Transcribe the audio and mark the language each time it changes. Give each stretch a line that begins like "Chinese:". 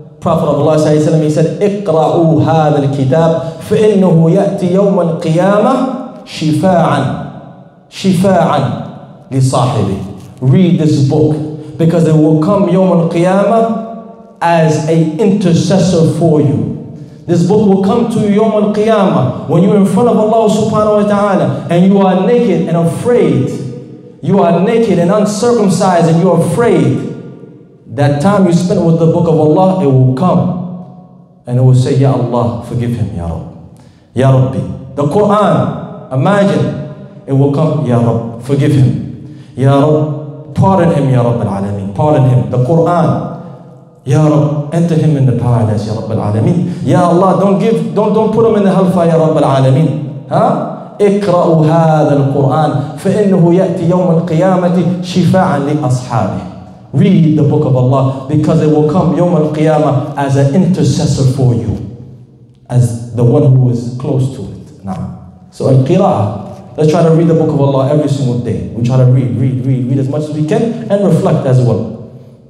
English: Prophet of Allah he said,
Arabic: اقرأوا هذا الكتاب فإنه يأتي يوم القيامة شفاعا شفاعا لصاحبه.
English: Read this book because it will come
Arabic: يوم القيامة
English: as an intercessor for you. This book will come to you
Arabic: يوم القيامة
English: when you're in front of Allah subhanahu wa ta'ala and you are naked and afraid. You are naked and uncircumcised and you're afraid. That time you spent with the book of Allah, it will come. And it will say, Ya Allah, forgive him, Ya Rabbi. Ya Rabbi. The Quran, imagine, it will come, Ya Rabbi, forgive him. Ya Rabbi, pardon him,
Arabic: Ya Rabbi al-Alamin.
English: Pardon him. The Quran, Ya Rabbi, enter him in the paradise, Ya Rabbi al-Alamin. Ya Allah, don't put him in the hellfire, Ya Rabbi al-Alamin. Huh?
Arabic: اقرأوا هذا القرآن فإنه يأتي يوم القيامة شفاعا لأصحابه.
English: Read the book of Allah because it will come
Arabic: يوم القيامة
English: as an intercessor for you, as the one who is close to it. Now, so al-qira'ah, let's try to read the book of Allah every single day. We try to read as much as we can and reflect as well.